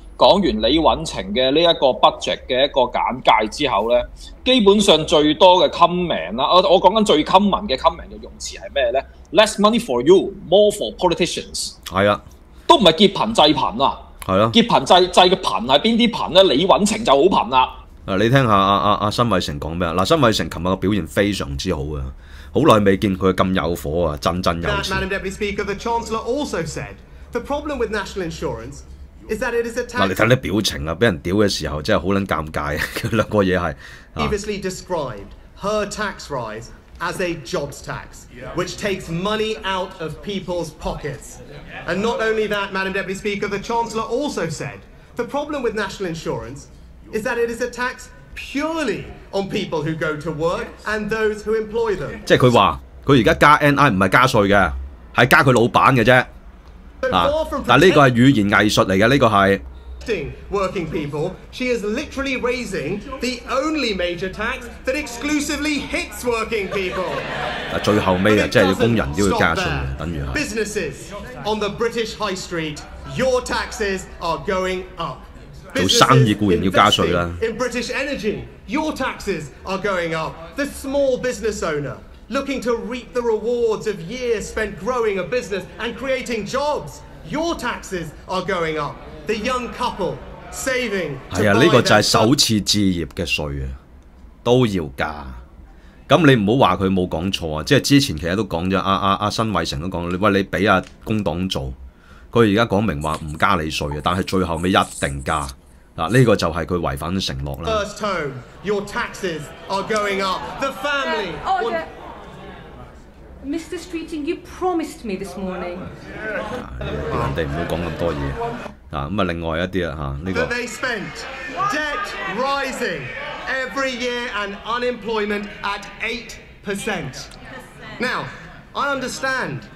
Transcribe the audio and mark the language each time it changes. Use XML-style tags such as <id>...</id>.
<yue>講完李允晴嘅呢一個 budget 嘅一個簡介之後咧，基本上最多嘅 comment 啦，我講緊最 common 嘅 comment 嘅用詞係咩咧 ？</yue> <en>Less money for you, more for politicians。</en> <yue>係啊，都唔係劫貧濟貧啊。係啊，劫貧濟嘅貧係邊啲貧咧？李允晴就好貧啦。你聽下阿新偉成講咩啊？嗱，新偉成琴日嘅表現非常之好啊，好耐未見佢咁有火啊，振振有詞。</yue> <en>Madam Deputy Speaker, the Chancellor also said the problem with national insurance.</en> <yue>嗱，你睇啲表情啊，俾人屌嘅时候真系好捻尴尬啊！佢两个嘢系。</yue> <en>Previously described her tax rise as a jobs tax, which takes money out of people's pockets. And not only that, Madam Deputy Speaker, the Chancellor also said the problem with national insurance is that it is a tax purely on people who go to work and those who employ them.</en> <yue>即系佢话佢而家加 NI 唔系加税嘅，系加佢老板嘅啫。啊！但呢个系语言艺术嚟嘅，呢个系。</yue> <en>Working people, she is literally raising the only major tax that exclusively hits working people.</en> <yue>啊，最后尾啊，即系工人都要加税，等于系。</yue> <en>Businesses on the British high street, your taxes are going up.</en> <yue>做生意固然要加税啦。</yue> <en>In British energy, your taxes are going up. The small business owner. Looking to reap the rewards of years spent growing a business and creating jobs, your taxes are going up. The young couple saving.</en> <yue>系啊，呢个就系首次置业嘅税啊，都要加。咁你唔好话佢冇讲错啊，即系之前其实都讲咗，阿新伟成都讲，喂你俾阿工党做，佢而家讲明话唔加你税啊，但系最后尾一定加。嗱，呢个就系佢违反承诺啦。</yue> <en>First home, your taxes are going up. The family. Mr. Streeting, you promised me this morning.</en> <yue>人哋唔好讲咁多嘢啊！咁啊，另外一啲啊，吓呢个。</yue> <en>They spent debt rising every year and unemployment at 8%. Now, I understand</en>